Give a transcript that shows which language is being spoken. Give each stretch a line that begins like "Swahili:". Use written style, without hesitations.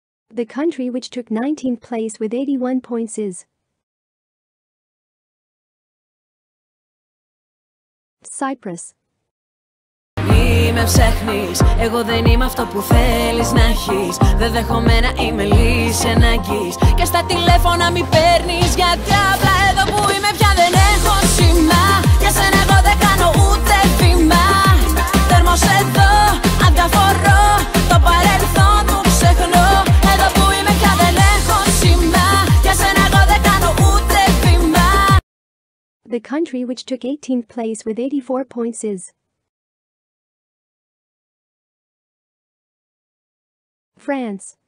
English: The country which took 19th place with 81 points is Cyprus.
Greek: με ψάχνεις. Εγώ δεν είμαι αυτό που θέλεις να έχεις. Δεν δέχομαι να είμαι λύση ανάγκης. Και στα τηλέφωνα μη παίρνεις, γιατί απλά εδώ που είμαι πια δεν έχω σήμα. Για σένα εγώ δεν κάνω ούτε βήμα. Τέρμος εδώ, αγκαφορώ. Το παρελθόν μου ξεχνώ. Εδώ που είμαι πια δεν έχω σήμα. Για σένα εγώ δεν κάνω ούτε βήμα.
English: The country which took 18th place with 84 points is France.